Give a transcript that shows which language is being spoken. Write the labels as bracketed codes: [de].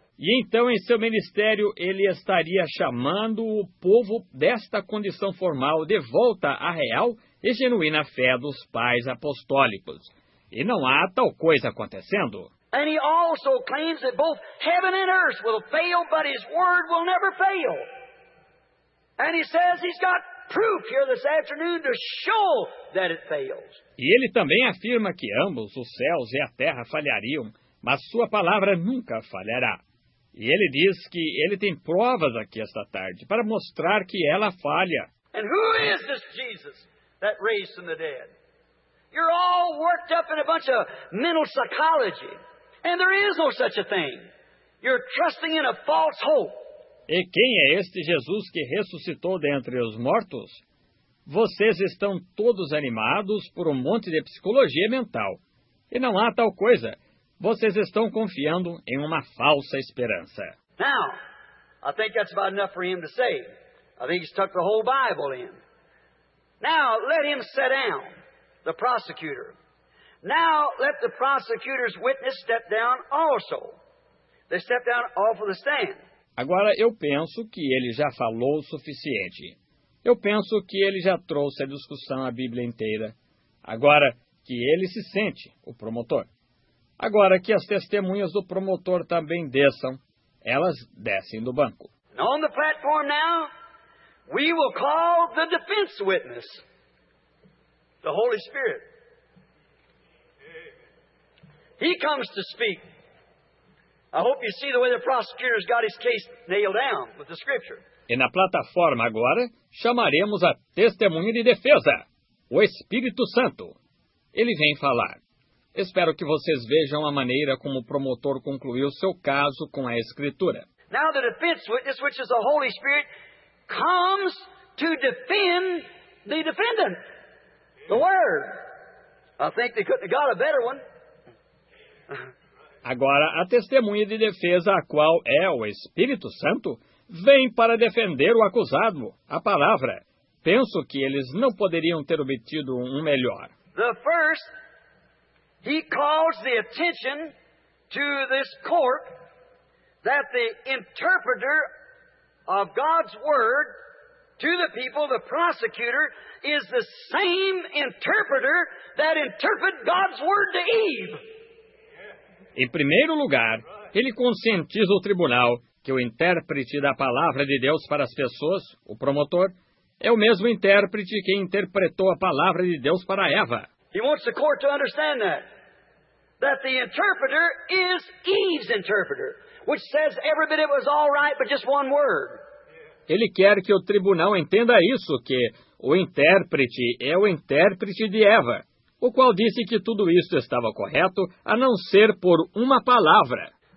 [pt] E então em seu ministério ele estaria chamando o povo desta condição formal de volta à real e genuína fé dos pais apostólicos. E não há tal coisa acontecendo. [en] And he also claims that both heaven and earth will fail, but his word will never fail. And he says he's got proof here this afternoon to show that it fails. [pt] E ele também afirma que ambos, os céus e a terra, falhariam, mas sua palavra nunca falhará. E ele diz que ele tem provas aqui esta tarde para mostrar que ela falha. [en] And who is this Jesus that raised from the dead? You're all worked up in a bunch of mental psychology. And there is no such a thing. You're trusting in a false hope. [pt] E quem é este Jesus que ressuscitou dentre os mortos? Vocês estão todos animados por um monte de psicologia mental. E não há tal coisa. Vocês estão confiando em uma falsa esperança. [en] Now, I think that's about enough for him to say. I think he's tucked the whole Bible in. Now, let him sit down, the prosecutor. Now, let the prosecutor's witness step down also. They step down off of the stand. [pt] Agora, eu penso que ele já falou o suficiente. Eu penso que ele já trouxe à discussão a Bíblia inteira. Agora, que ele se sente, o promotor. Agora, que as testemunhas do promotor também desçam. Elas descem do banco. [en] And on the platform now, we will call the defense witness, the Holy Spirit. He comes to speak. I hope you see the way the prosecutor's got his case nailed down with the scripture. [pt] E na plataforma agora, chamaremos a testemunha de defesa, o Espírito Santo. Ele vem falar. Espero que vocês vejam a maneira como o promotor concluiu seu caso com a escritura. [en] Now the defense witness, which is the Holy Spirit, comes to defend the defendant. The word. I think they couldn't have got a better one. [pt] Agora, a testemunha de defesa, a qual é o Espírito Santo, vem para defender o acusado, a palavra. Penso que eles não poderiam ter obtido um melhor. [en] The first, he calls the attention to this court that the interpreter of God's word to the people, the prosecutor, is the same interpreter that interpreted God's word to Eve. [pt] Em primeiro lugar, ele conscientiza o tribunal que o intérprete da palavra de Deus para as pessoas, o promotor, é o mesmo intérprete que interpretou a palavra de Deus para Eva. [en] He wants the court to understand that. That the interpreter is Eve's interpreter, which says every bit it was all right, but just one word. [pt] Ele quer que o tribunal entenda isso, que o intérprete é o intérprete de Eva, o qual disse que tudo isso estava correto, a não ser por uma palavra.